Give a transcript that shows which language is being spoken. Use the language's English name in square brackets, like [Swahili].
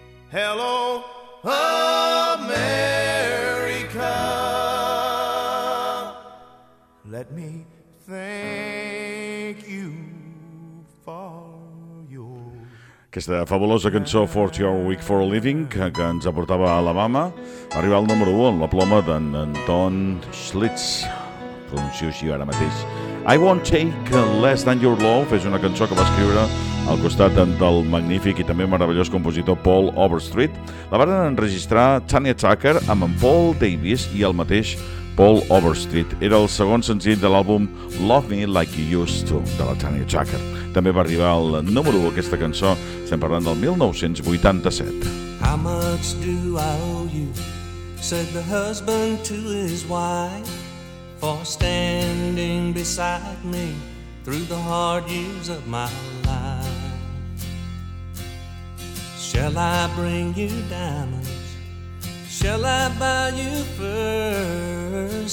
[English] Hello, America. Let me thank you for your... [Catalan] Aquesta fabulosa cançó, 40 Hour Week for a Living, que ens aportava a Alabama, arribar al número 1 amb la ploma d'en Anton Schlitz. Pronuncio així ara mateix. I Won't Take Less Than Your Love és una cançó que va escriure al costat del magnífic i també meravellós compositor Paul Overstreet. La van enregistrar Tanya Tucker amb en Paul Davis i el mateix Paul Overstreet. Era el segon senzill de l'àlbum Love Me Like You Used To de la Tanya Tucker. També va arribar al número 1 aquesta cançó, estem parlant del 1987. [English] How much do I owe you? Said the husband to his wife. For standing beside me through the hard years of my life. Shall I bring you diamonds? Shall I buy you furs?